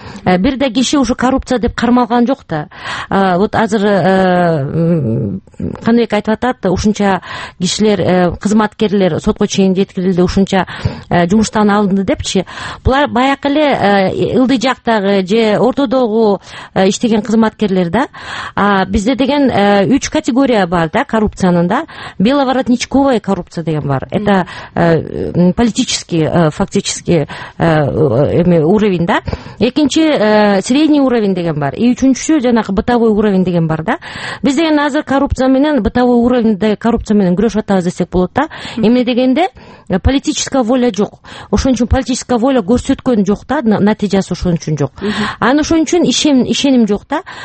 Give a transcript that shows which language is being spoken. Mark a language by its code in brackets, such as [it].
[ky] Бир да киши ушу коррупция деп кармалган жок да. Вот азыр Канбек айтып атат, ушунча кишилер, кызматкерлер сотко чейин жеткирилди, ушунча жумуштан алынды депчи. Булар баякы эле ылдый жактагы же ортодогу иштеген кызматкерлер да. Бизде деген үч категория бар да коррупциянын да. Беловоротничковая коррупция деген бар. [ru] Это политический фактически уровень да. [ky] Экинчи средний уровень деген бар. И үчүнчүсү жанагы бытовой уровень деген бар да. Биз деген азыр коррупция менен бытовой уровеньде коррупция менен күрөшүп атабыз десек болот да. Эмне дегенде политическая воля жок. Ошон үчүн политическая воля көрсөткөн жок да, натыйжасы ошон үчүн жок. Анын ошон үчүн ишеним жок да.